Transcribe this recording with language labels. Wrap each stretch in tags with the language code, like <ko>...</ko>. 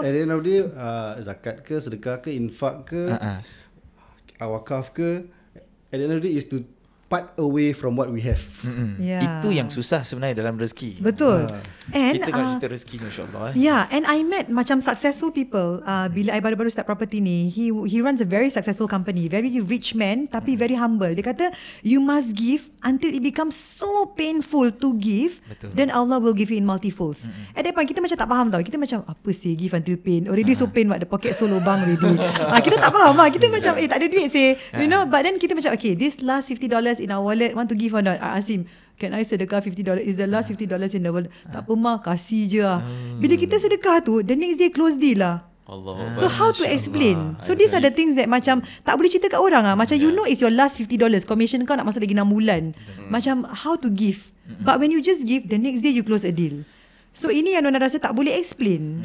<en>at the end of the day,</en> <ms>zakat ke, sedekah ke, infak ke, wakaf ke,</ms> <en>at the end of the day is to part away from what we have.</en> <ms>Itu yang susah sebenarnya dalam rezeki. Betul. And kita kena cerita rezeki ni, insyaAllah.</ms> <en>And I met macam successful people.</en> <ms>Bila I baru-baru</ms> <en>start property ni, he runs a very successful company, very rich man, tapi very humble.</en> <ms>Dia kata,</ms> <en>you must give until it becomes so painful to give.</en> <ms>Betul.</ms> <en>Then Allah will give you in multifolds. At that point,</en> <ms>kita macam tak faham tau. Kita macam, apa sih</ms> <en>give until pain? Already so pain, what? The pocket so lubang already.</en> <ms>Kita tak faham lah. Kita macam, tak ada duit sih.</ms> <en>You know, but then</en> <ms>kita macam,</ms> <en>okay, this last $50 in our wallet, want to give or not? Asim, can I sedekah $50? Is the last $50 in the wallet?</en> <ms>Tak apa ma, kasih je lah. Bila kita sedekah tu,</ms> <en>the next day close deal lah.</en> <ms>Allah.</ms> <en>So how to explain? So these are the things that</en> <ms>macam tak boleh cerita kat orang.</ms> <en>Macam you know it's your last $50 commission</en> <ms>kau nak masuk lagi 6 bulan.</ms> <en>Macam how to give? But when you just give, the next day you close a deal.</en> <ms>So ini yang Nona rasa tak boleh explain.</ms>